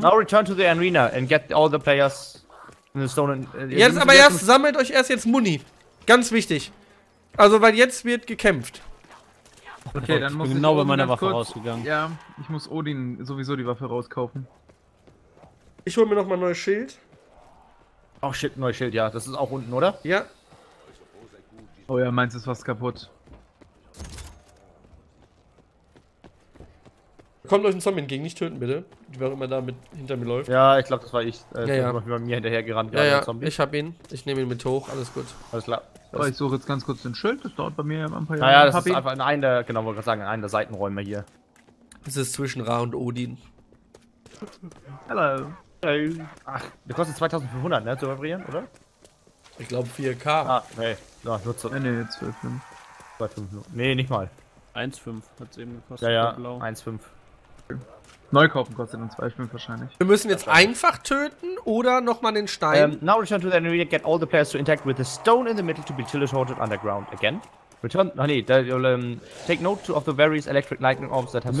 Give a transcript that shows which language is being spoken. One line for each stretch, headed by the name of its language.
English: Now return to the arena and get all the players in the stone.
German: Jetzt aber erst, sammelt euch erst jetzt Muni. Ganz wichtig. Also, weil jetzt wird gekämpft. Okay, dann muss ich genau bei meiner Waffe rausgegangen. Ja, ich muss Odin sowieso die Waffe rauskaufen. Ich hol mir noch mal ein neues Schild. Oh shit, neues Schild, ja, das ist auch unten, oder? Ja. Oh ja, meins ist fast kaputt. Kommt euch ein Zombie entgegen, nicht töten bitte. Wer immer da mit, hinter mir läuft. Ja, ich glaube, das war ich. Ja. Bei mir hinterher gerannt, ja, ja. Zombie. Ich hab ihn. Ich nehme ihn mit hoch, alles gut. Alles klar. Aber ich suche jetzt ganz kurz den Schild, das dauert bei mir ein paar Jahre. Naja, das ist einfach in einem der, genau, wollte ich sagen, in einem der Seitenräume hier. Das ist zwischen Ra und Odin. Hallo. Ach, der kostet 2500, ne, zu reparieren, oder? Ich glaube 4K. Ah, hey. Ja, nur zu. Ne, 12,5. 2,5. Nee, nicht mal. 1,5 hat es eben gekostet. Ja, ja. Blau. 1,5. Neu kaufen kostet dann 2,5 wahrscheinlich. Wir müssen jetzt einfach töten oder nochmal den Stein.
English: Now return to the arena, get all the players to interact with the stone in the middle to be teleported underground again. Return.
German: Ach nee, da,
English: take note of the various electric lightning orbs that have